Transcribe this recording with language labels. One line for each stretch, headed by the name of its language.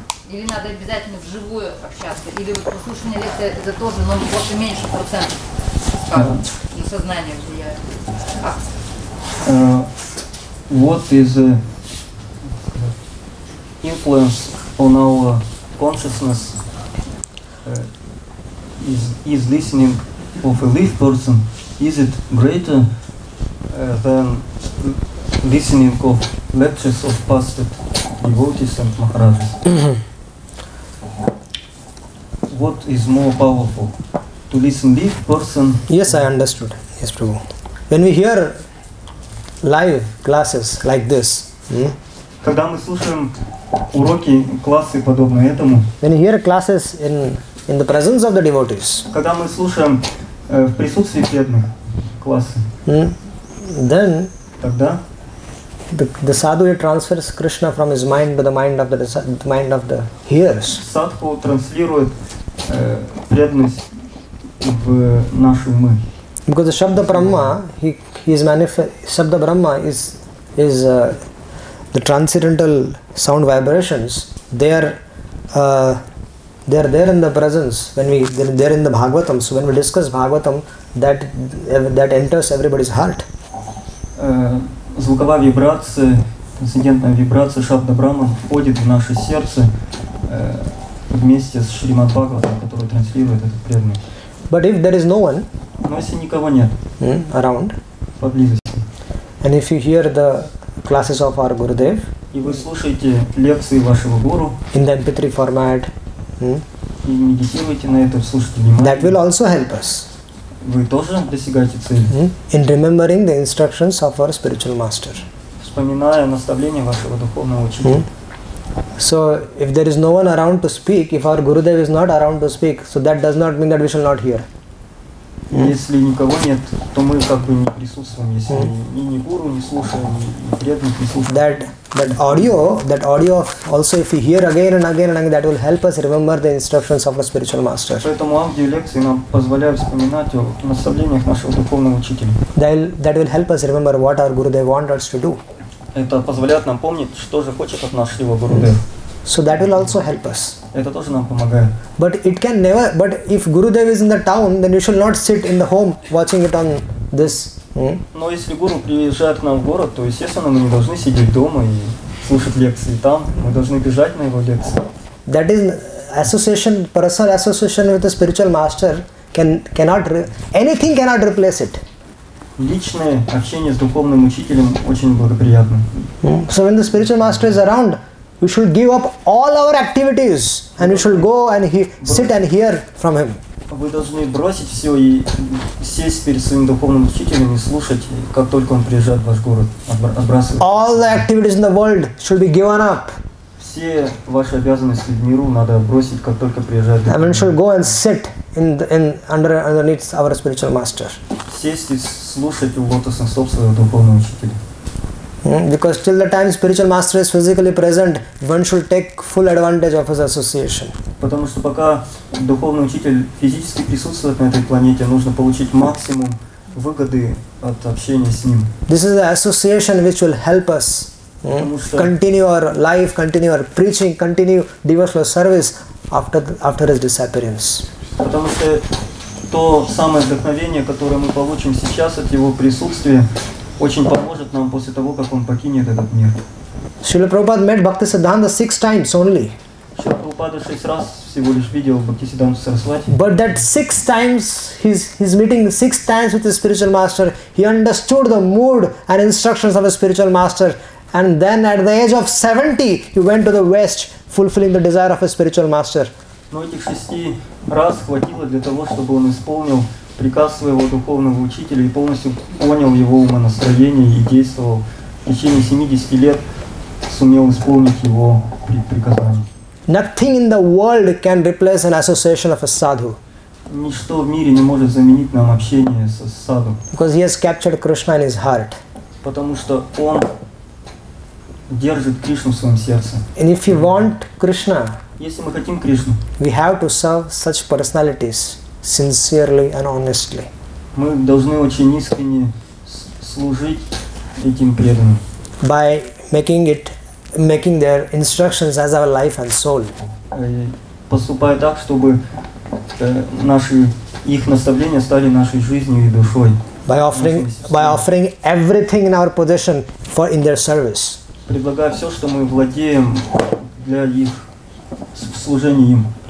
Russian: Или надо обязательно вживую общаться? Или вот прослушивание лекции это тоже, но больше меньше процентов, скажем, на сознание влияет?
English: What is the influence on our consciousness is listening of a live person, is it greater than listening of lectures of past devotees and maharajas? what is more powerful, to listen live person? Yes, I understood. Yes, Prabhu. When we hear live classes like this,
Russian: когда мы слушаем уроки, классы подобные этому,
English: when we hear classes in the presence of the devotees,
Russian: когда мы слушаем в присутствии преданных классы,
English: then
Russian: тогда
English: the sadhu transfers Krishna from his mind to the mind of the hearers.
Russian: Садху транслирует преданность в нашу мы.
English: Because the Shabda Brahma, he is manifest. Shabda Brahma is the transcendental sound vibrations. They are there in the presence when we they're in the Bhagavatam. So when we discuss Bhagavatam, that enters everybody's heart.
Russian: Звуковая вибрация, трансцендентная вибрация Шабда Брахма входит в наше сердце вместе с Шримад Бхагаватам, который транслирует этот преданный.
English: But if there is no one,
Russian: но если никого нет,
English: around,
Russian: поблизости,
English: and if you hear the classes of our Gurudev,
Russian: и вы слушаете лекции вашего гуру,
English: in the MP3 format,
Russian: и медитируете на это, слушайте внимание,
English: that will also help us.
Russian: Вы тоже достигаете цели.
English: In remembering the instructions of our spiritual master.
Russian: Вспоминая наставления вашего духовного учителя.
English: So if there is no one around to speak, if our Gurudev is not around to speak, so that does not mean that we shall not hear.
Russian: Если никого нет, то мы как бы не присутствуем, если ни гуру не слушаем, ни преданных не слушаем.
English: That audio of also if we hear again and again and again, that will help us remember the instructions of our spiritual master.
Russian: Поэтому аудио лекции нам позволяют вспоминать о наставлениях нашего духовного учителя.
English: That will help us remember what our Gurudev wants us to do.
Russian: Это позволяет нам помнить, что же хочет от нас его Гурудев.
English: So that will also help us.
Russian: Это тоже нам помогает.
English: But if Gurudev is in the town, then you should not sit in the home watching it on this.
Russian: Но если Гуру приезжает к нам в город, то естественно мы не должны сидеть дома и слушать лекции там. Мы должны бежать на его лекции.
English: That is association, personal association with the spiritual master cannot replace it.
Russian: Личное общение с духовным учителем очень благоприятно.
English: So when the spiritual master is around, we should give up all our activities and we should go and sit and hear from him.
Russian: Вы должны бросить все и сесть перед своим духовным учителем и слушать, как только он приезжает в ваш город, отбрасывать.
English: All the activities in the world should be given up.
Russian: Все ваши обязанности в миру надо бросить, как только приезжает.
English: And we should go and sit underneath our spiritual master.
Russian: Сесть и слушать у лотосных стоп своего духовного учителя.
English: Because till the time spiritual master is physically present, one should take full advantage of his association.
Russian: Потому что пока духовный учитель физически присутствует на этой планете, нужно получить максимум выгоды от общения с ним.
English: This is the association which will help us continue our life, continue our preaching, continue devotional service after his disappearance.
Russian: Потому что то самое вдохновение, которое мы получим сейчас от его присутствия, очень поможет нам после того, как он покинет этот мир.
English: Шрила Прабхупада met Бхакти Сиддханта 6 times only.
Russian: Шрила Прабхупада 6 раз всего лишь видел Бхакти Сиддханту Сарасвати.
English: But that 6 times, his meeting 6 times with his spiritual master, he understood the mood and instructions of his spiritual master. And then at the age of 70, he went to the west, fulfilling the desire of his spiritual master.
Russian: Но этих 6 раз хватило для того, чтобы он исполнил приказ своего духовного учителя и полностью понял его умонастроение и действовал. В течение 70 лет сумел исполнить его приказание.
English: Nothing in the world can replace an association of a sadhu.
Russian: Ничто в мире не может заменить нам общение с садху.
English: Because he has captured Krishna in his heart.
Russian: Потому что он держит Кришну в своем сердце.
English: And if you want Krishna,
Russian: если мы хотим Кришну,
English: we have to serve such personalities. Sincerely and honestly.
Russian: Мы должны очень искренне служить этим преданным.
English: By making their instructions as our life and soul.
Russian: Поступая так, чтобы наши их наставления стали нашей жизнью и душой.
English: By offering everything in our possession for in their service.
Russian: Предлагая все, что мы владеем для их служения им.